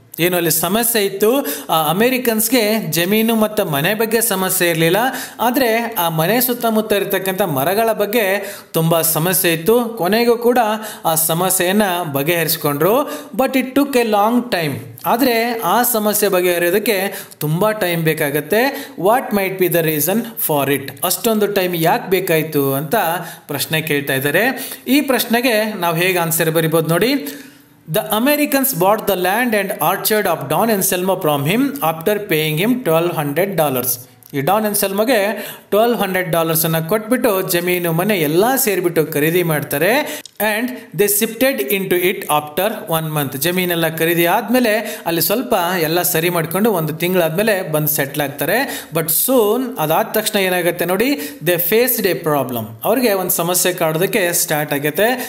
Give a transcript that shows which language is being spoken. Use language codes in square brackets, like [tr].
[kn] ಏನು ಅಲ್ಲಿ ಸಮಸ್ಯೆ ಇತ್ತು, ಆ ಅಮೆರಿಕನ್ಸ್ಗೆ ಜಮೀನು ಮತ್ತು ಮನೆ ಬಗ್ಗೆ ಸಮಸ್ಯೆ ಇರಲಿಲ್ಲ, ಆದರೆ ಆ ಮನೆ ಸುತ್ತಮುತ್ತ ಇರತಕ್ಕಂಥ ಮರಗಳ ಬಗ್ಗೆ ತುಂಬ ಸಮಸ್ಯೆ ಇತ್ತು. ಕೊನೆಗೂ ಕೂಡ ಆ ಸಮಸ್ಯೆಯನ್ನು ಬಗೆಹರಿಸ್ಕೊಂಡ್ರು, [en] But it took a long time. [kn] ಆದರೆ ಆ ಸಮಸ್ಯೆ ಬಗೆಹರಿಯೋದಕ್ಕೆ ತುಂಬ ಟೈಮ್ ಬೇಕಾಗತ್ತೆ. [en] what might be the reason for it, [kn] ಅಷ್ಟೊಂದು ಟೈಮ್ ಯಾಕೆ ಬೇಕಾಯಿತು ಅಂತ ಪ್ರಶ್ನೆ ಕೇಳ್ತಾ ಇದ್ದಾರೆ. ಈ ಪ್ರಶ್ನೆಗೆ ನಾವು ಹೇಗೆ ಆನ್ಸರ್ ಬರಿಬೋದು ನೋಡಿ, [en] The Americans bought the land and orchard of Don Anselmo from him after paying him $1,200. [kn] ಈ ಡಾನ್ ಅನ್ಸೆಲ್ಮೋಗೆ $1,200 ಅನ್ನು ಕೊಟ್ಬಿಟ್ಟು ಜಮೀನು ಮನೆ ಎಲ್ಲ ಸೇರಿಬಿಟ್ಟು ಖರೀದಿ ಮಾಡ್ತಾರೆ. [en] And they shifted into it after 1 month. [kn] ಜಮೀನೆಲ್ಲ ಖರೀದಿ ಆದಮೇಲೆ ಅಲ್ಲಿ ಸ್ವಲ್ಪ ಎಲ್ಲ ಸರಿ ಮಾಡಿಕೊಂಡು ಒಂದು ತಿಂಗಳಾದಮೇಲೆ ಬಂದು ಸೆಟ್ಲ್ ಆಗ್ತಾರೆ. ಬಟ್ ಸೂನ್ ಅದಾದ ತಕ್ಷಣ ಏನಾಗುತ್ತೆ ನೋಡಿ, [en] they faced a problem, [kn] ಅವ್ರಿಗೆ ಒಂದು ಸಮಸ್ಯೆ ಕಾಡೋದಕ್ಕೆ ಸ್ಟಾರ್ಟ್ ಆಗುತ್ತೆ.